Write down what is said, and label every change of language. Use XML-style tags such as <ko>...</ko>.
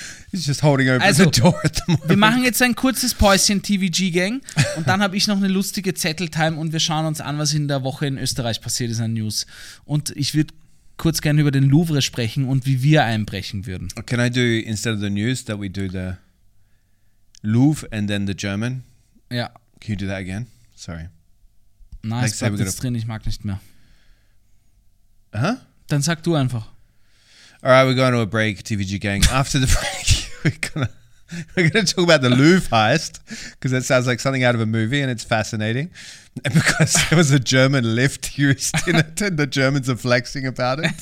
<en>He's just holding open also, the door at the moment.</en> <de>Wir machen jetzt ein kurzes Päuschen TVG-Gang und dann habe ich noch eine lustige Zettel-Time und wir schauen uns an, was in der Woche in Österreich passiert ist an News. Und ich würde kurz gerne über den Louvre sprechen und wie wir einbrechen würden.</de> <en>Can I do, instead of the news, that we do the Louvre and then the German?</en> <de>Ja.</de> <en>Can you do that again? Sorry.</en> <de>Nein, like es bleibt jetzt drin, ich mag nicht mehr. Aha. Huh? Dann sag du einfach.</de> <en>Alright, we're going to a break, TVG gang. After the break, we're going to talk about the Louvre heist, because that sounds like something out of a movie, and it's fascinating, and because there was a German lift used in it, and the Germans are flexing about it.</en>